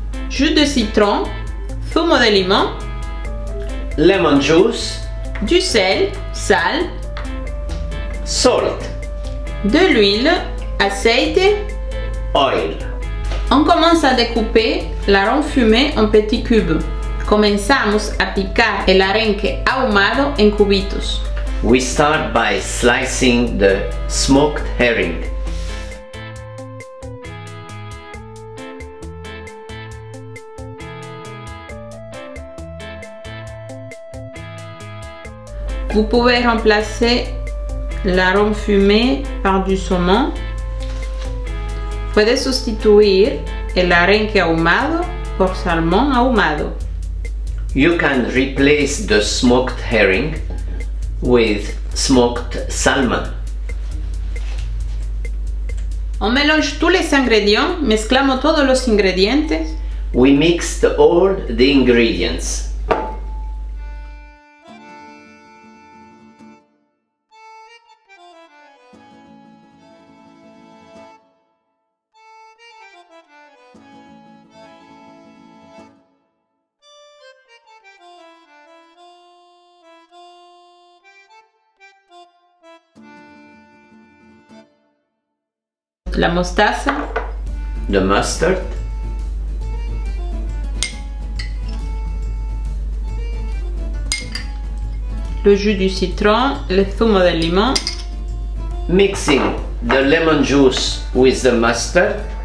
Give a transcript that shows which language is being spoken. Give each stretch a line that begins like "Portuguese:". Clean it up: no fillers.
French: jus de citron,
Spanish: zumo de limon,
English: lemon juice,
French: du sel, sal,
English: salt,
French: de l'huile, aceite,
English: oil.
French: On commence à découper l'arenque fumé en petits cubes.
Spanish: Comenzamos a picar el arenque ahumado en cubitos.
English: We start by slicing the smoked herring.
French: Vous pouvez remplacer l'arenque fumé par du saumon.
Spanish: Puedes sustituir el arenque ahumado por salmón ahumado.
English: You can replace the smoked herring with smoked salmon.
French: On mélange tous les ingrédients,
Spanish: mezclamos todos los ingredientes.
English: We mixed all the ingredients.
Spanish: La mostaza,
English: the mustard,
French: le jus du citron, le
Spanish: zumo de limón,
English: mixing the lemon juice with the mustard,